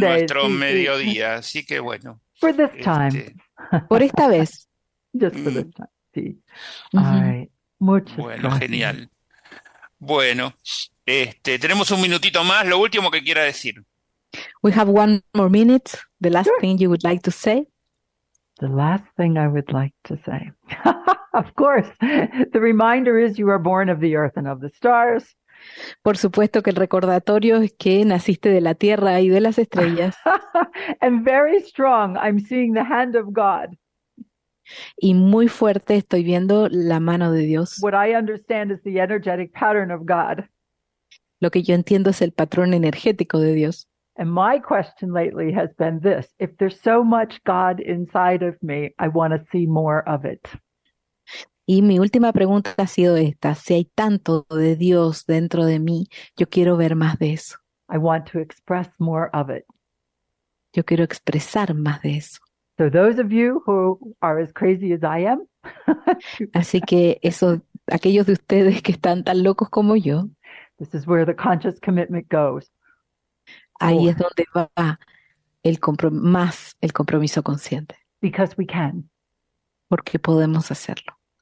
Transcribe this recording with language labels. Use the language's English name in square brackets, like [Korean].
[Spanish] nuestro mediodía, así que bueno, [English] sí. For this time. [Spanish] Por esta vez. [English] Just for this time, sí. All right. Muchas [Spanish] Bueno, gracias. genial. Bueno, tenemos un minutito más, lo último que quiera decir. [English] We have one more minute. The last thing you would like to say. The last thing I would like to say. Of course, the reminder is you are born of the earth and of the stars. [Spanish] Por supuesto que el recordatorio es que naciste de la tierra y de las estrellas. [English] And very strong, I'm seeing the hand of God. [Spanish] Y muy fuerte estoy viendo la mano de Dios. [English] What I understand is the energetic pattern of God. [Spanish] Lo que yo entiendo es el patrón energético de Dios. [English] And my question lately has been this: if there's so much God inside of me, I want to see more of it. [Spanish] Y mi última pregunta ha sido esta: si hay tanto de Dios dentro de mí, yo quiero ver más de eso. [English] I want to express more of it. [Spanish] Yo quiero expresar más de eso. [English] So those of you who are as crazy as I am, [Spanish] Así que eso, aquellos de ustedes que están tan locos como yo, [English] this is where the conscious commitment goes. [Spanish] ahí es [English] More. [Spanish] donde va el más el compromiso consciente. [English] Because we can. [Spanish] Porque podemos hacerlo.